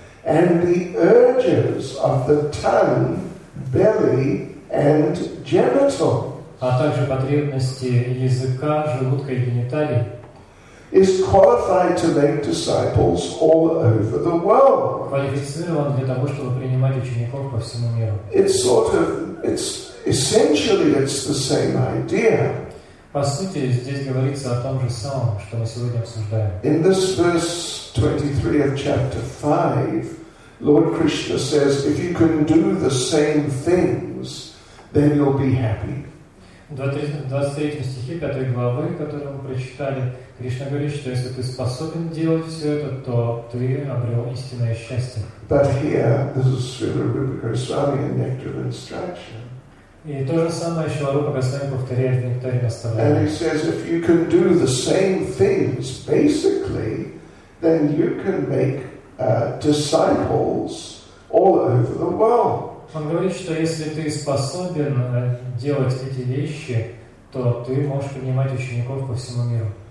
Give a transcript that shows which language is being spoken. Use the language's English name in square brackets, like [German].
[English] and the urges of the tongue, belly, and genitals, [Russian] а также потребности языка, желудка и гениталий, [English] is qualified to make disciples all over the world. [Russian] Квалифицирован для того, чтобы принимать учеников по всему миру. [English] It's essentially the same idea. [Russian] По сути, здесь говорится о том же самом, что мы сегодня обсуждаем. [English] In this verse 23 of chapter 5, Lord Krishna says, if you can do the same things, then you'll be happy. [Russian] В 23 стихе 5 главы, которую мы прочитали, Кришна говорит, что если ты способен делать все это, то ты обрел истинное счастье. [English] But here, this is Srila Rupa Goswami in Nectar of Instruction. [Russian] И то же самое Шрила Рупа Госвами повторяет в Нектаре наставления. [English] And he says, if you can do the same things, basically, then you can make disciples all over the world. [Russian] Он говорит, что если ты способен делать эти вещи, то ты можешь принимать учеников по всему миру.